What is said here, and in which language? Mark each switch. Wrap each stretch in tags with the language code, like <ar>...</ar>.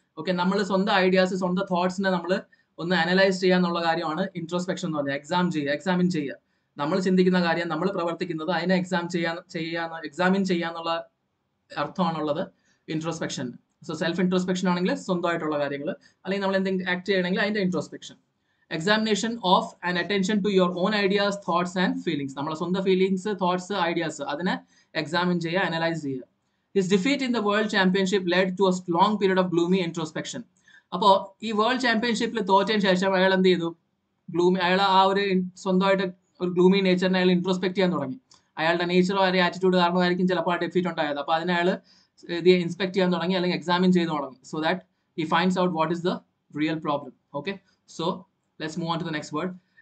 <ml>Okay, നമ്മൾ സ്വന്തം ideas സ്വന്തം തോട്ട്സിനെ നമ്മൾ ഒന്ന് അനലൈസ് ചെയ്യുക എന്നുള്ള കാര്യമാണ് ഇൻട്രോസ്പെക്ഷൻ എന്ന് പറഞ്ഞാൽ. എക്സാം ചെയ്യുക, എക്സാമിൻ ചെയ്യുക, നമ്മൾ ചിന്തിക്കുന്ന കാര്യം, നമ്മൾ പ്രവർത്തിക്കുന്നത് അതിനെ എക്സാം ചെയ്യാൻ ചെയ്യാന്ന് examine ചെയ്യാന്നുള്ള അർത്ഥമാണുള്ളത് introspection. So self introspection ആണെങ്കിൽ സ്വന്തമായിട്ടുള്ള കാര്യങ്ങൾ, അല്ലെങ്കിൽ നമ്മൾ എന്തെങ്കിലും ആക്ട് ചെയ്യണമെങ്കിൽ അതിൻ്റെ introspection.</ml> <en>Examination of an attention to your own ideas, thoughts and feelings.</en> <ml>നമ്മളെ സ്വന്തം ഫീലിങ്സ്, തോട്ട്സ്, ഐഡിയാസ് അതിനെ എക്സാമിൻ ചെയ്യുക, അനലൈസ് ചെയ്യുക.</ml> <en>His defeat in the world championship led to a long period of gloomy introspection.</en> <ml>അപ്പോൾ ഈ world ചാമ്പ്യൻഷിപ്പിൽ തോറ്റതിന് ശേഷം അയാൾ എന്ത് ചെയ്തു, ഗ്ലൂമി, അയാൾ ആ ഒരു സ്വന്തമായിട്ട് ഒരു ഗ്ലൂമി നേച്ചറിനെ അയാൾ ഇൻട്രോസ്പെക്ട് ചെയ്യാൻ തുടങ്ങി. അയാളുടെ നേച്ചറോ അയാൾ ആറ്റിറ്റ്യൂഡ് കാരണമായിരിക്കും ചിലപ്പോൾ ആ ഡിഫീറ്റ് ഉണ്ടായത്. അപ്പോൾ അതിനെ അയാൾ ഇത് ഇൻസ്പെക്ട് ചെയ്യാൻ തുടങ്ങി, അല്ലെങ്കിൽ എക്സാമിൻ ചെയ്ത് തുടങ്ങി.</ml> <en>So that he finds out what is the real problem. Okay, so let's move on to the next word.</en>